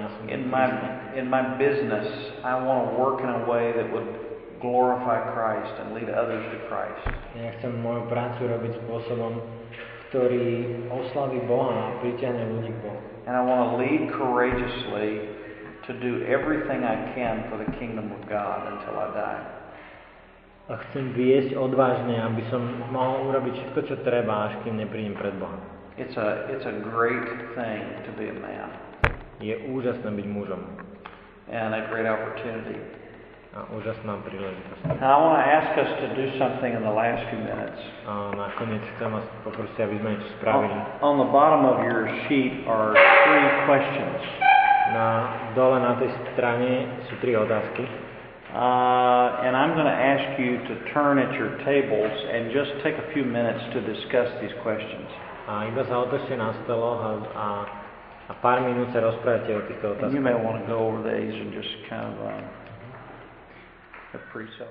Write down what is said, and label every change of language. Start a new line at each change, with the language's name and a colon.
English: In my business, I want to work in a way that would glorify Christ and lead others to Christ.
Slovak: Ja chcem moju prácu robiť spôsobom, ktorý oslaví Boha a pritiahne ľudí k Bohu.
English: And I want to lead courageously to do everything I can for the kingdom of God until I die.
Slovak: A chcem viesť odvážne, aby som mohol urobiť všetko, čo treba, až kým neprídem pred Boha.
English: It's a great thing to be a man.
Slovak: Je úžasné byť mužom.
English: And a great opportunity.
Slovak: A úžasná príležitosť.
English: Now I want to ask us to do something in the last few minutes.
Slovak: A nakoniec chcem vás poprosiť, aby sme niečo spravili.
English: On the bottom of your sheet are three questions.
Slovak: Na dole na tej strane sú tri otázky.
English: And I'm going to ask you to turn at your tables and just take a few minutes to discuss these questions.
Slovak: A iba sa otočte na stoloch a pár minút sa rozprávate o týchto otázkach.
English: And you may want to go over these and just kind of... the pre-self.